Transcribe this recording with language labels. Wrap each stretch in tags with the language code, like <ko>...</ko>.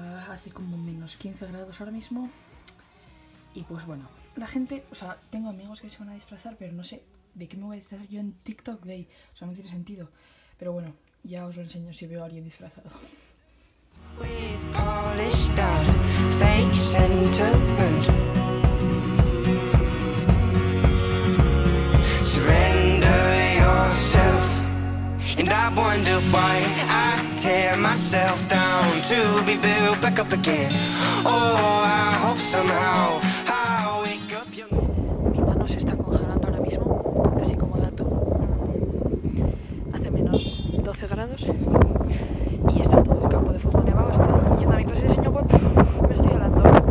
<es>Hace como menos 15 grados ahora mismo y pues bueno, la gente, o sea, tengo amigos que se van a disfrazar pero no sé de qué me voy a disfrazar yo en TikTok Day, o sea, no tiene sentido. Pero bueno, ya os lo enseño si veo a alguien disfrazado.</es> <en>With polished out fake sentiment. Surrender yourself. And I wonder why I tear myself down to be built back up again. Oh, I hope somehow I'll wake up young.</en> <es>Mi mano se está congelando ahora mismo, así como gato. Hace menos 12 grados. Y está todo el campo de fútbol nevado, estoy yendo a mi clase de diseño web, me estoy hablando.</es>